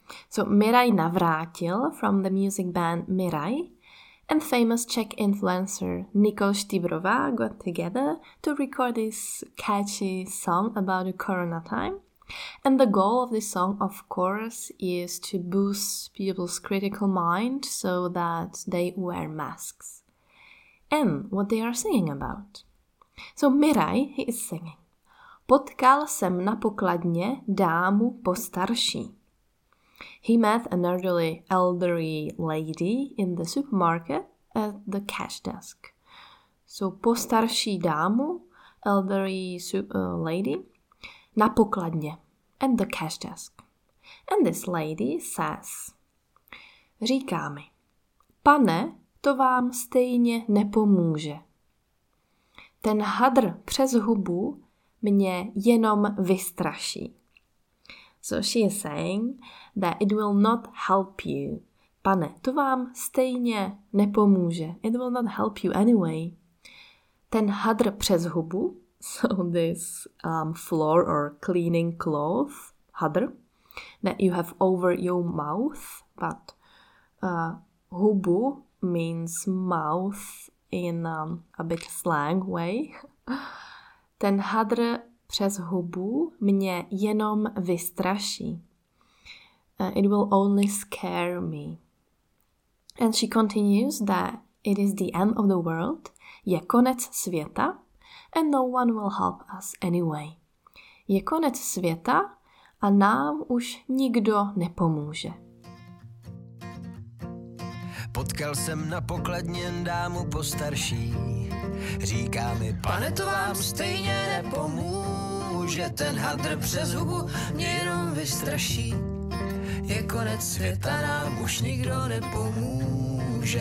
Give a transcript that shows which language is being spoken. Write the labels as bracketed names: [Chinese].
[English] So Miraj Navrátil from the music band Miraj and famous Czech influencer Nikol Štýbrová got together to record this catchy song about the corona time. And the goal of this song, of course, is to boost people's critical mind so that they wear masks. And what they are singing about. So Miraj, he is singing. [Czech] Potkal jsem na pokladně dámu postarší. [English] He met an elderly lady in the supermarket at the cash desk. [Czech] So postarší dámu, [English] elderly lady, [Czech] na pokladně. [English] And the cash desk. And this lady says, [Czech] říká mi, pane, to vám stejně nepomůže. Ten hadr přes hubu mě jenom vystraší. [English] So she is saying that it will not help you. [Czech] Pane, to vám stejně nepomůže. [English] It will not help you anyway. [Czech] Ten hadr přes hubu, [English] so this floor or cleaning cloth, hadr, that you have over your mouth, but hubu means mouth in a bit slang way. [Czech] Ten hadr přes hubu mě jenom vystraší. [English] It will only scare me. And she continues that it is the end of the world, [Czech] je konec světa, [English] and no one will help us anyway. [Czech] je konec světa a nám už nikdo nepomůže. Potkal jsem na pokladně dámu postarší, říká mi, pane, to vám stejně nepomůže, ten hadr přes hubu mě jenom vystraší, je konec světa, nám už nikdo nepomůže.